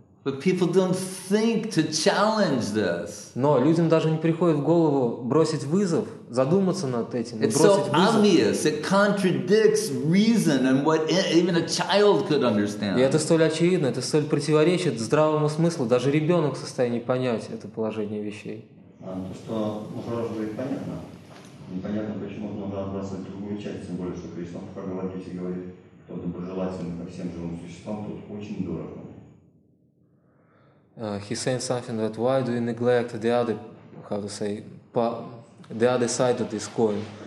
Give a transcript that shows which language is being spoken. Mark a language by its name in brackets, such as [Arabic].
[English] But people don't think to challenge this. [Russian] Но людям даже не приходит в голову бросить вызов, задуматься над этим, [English] it's [Russian] бросить [English] so [Russian] вызов. [English] Obvious. It contradicts reason and what even a child could understand. [Russian] И это столь очевидно, это столь противоречит здравому смыслу, даже ребенок в состоянии понять это положение вещей. То, что Махарадж говорит, непонятно, почему надо отбрасывать другую часть, тем более, что Кришна как говорите, говорит, кто доброжелательный ко всем живым существам, тот очень дорого. [English] He's saying something that why do you neglect the other side of this coin?